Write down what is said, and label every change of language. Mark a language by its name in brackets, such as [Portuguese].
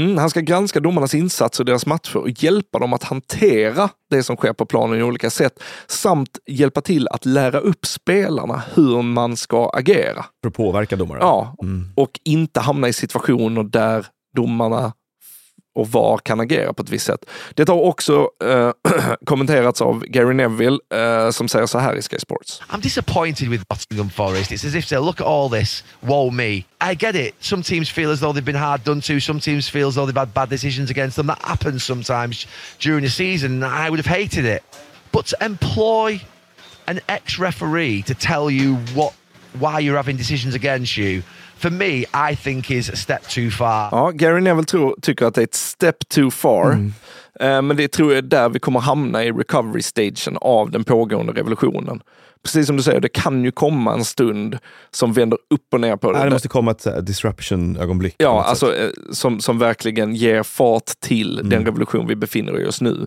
[Swedish] Han ska granska domarnas insatser och deras matcher och hjälpa dem att hantera det som sker på planen i olika sätt, samt hjälpa till att lära upp spelarna hur man ska agera. För att påverka domarna. Ja, och inte hamna i situationer där domarna och VAR kan agera på ett visst sätt. Det har också kommenterats av Gary Neville, som säger så här i Sky Sports. [English] I'm disappointed with Nottingham Forest. It's as if they look at all this, woe me. I get it. Some teams feel as though they've been hard done to. Some teams feel as though they've had bad decisions against them. That happens sometimes during the season. I would have hated it. But to employ an ex-referee to tell you why you're having decisions against you, for me, I think is a step too far. [Swedish] Ja, Gary Neville tycker att det är ett [English] step too far. [Swedish] Men det tror jag är där vi kommer hamna i recovery-stagen av den pågående revolutionen. Precis som du säger, det kan ju komma en stund som vänder upp och ner på det. Det måste komma ett disruption-ögonblick. Ja, alltså som verkligen ger fart till den revolution vi befinner oss nu.